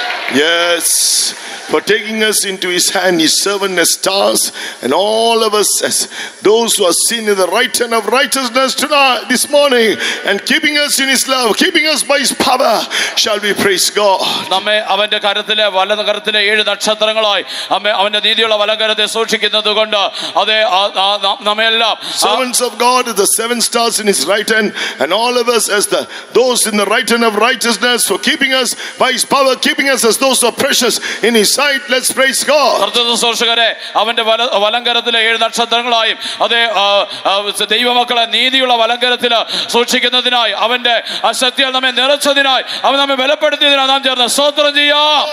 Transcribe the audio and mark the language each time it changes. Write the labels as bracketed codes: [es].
[en] Yes, for taking us into his hand, his servant as stars, and all of us as those who are seen in the right hand of righteousness tonight, this morning, and keeping us in his love, keeping us by his power, shall we praise God. [ml] നമ്മെ അവന്റെ കരത്തിലെ വലതുകരത്തിലെ ഏഴ് നക്ഷത്രങ്ങളായി നമ്മെ അവന്റെ നീതിയുള്ള വലതുകരത്തെ സൂക്ഷിക്കുന്നതുകൊണ്ട് അതെ നമ്മെല്ലാം [en] servants of God are the seven stars in his right hand, and all of us as the those in the right hand of righteousness, for keeping us by his power, keeping us as those who are precious in his sight, let's praise God. [ml] സൂക്ഷകരെ അവന്റെ വലങ്കരത്തിലെ ഏഴ് നക്ഷത്രങ്ങളായും അതെ ദൈവമക്കളെ നീതിയുള്ള വലങ്കരത്തിൽ സൂക്ഷിക്കുന്നതിനായി അവന്റെ അശക്തിയിൽ നമ്മെ നിറച്ചതിനായി അവൻ നമ്മെ ബലപ്പെടുത്തിയതിനായി നാം ചേർന്ന് സ്തോത്രം ചെയ്യാം.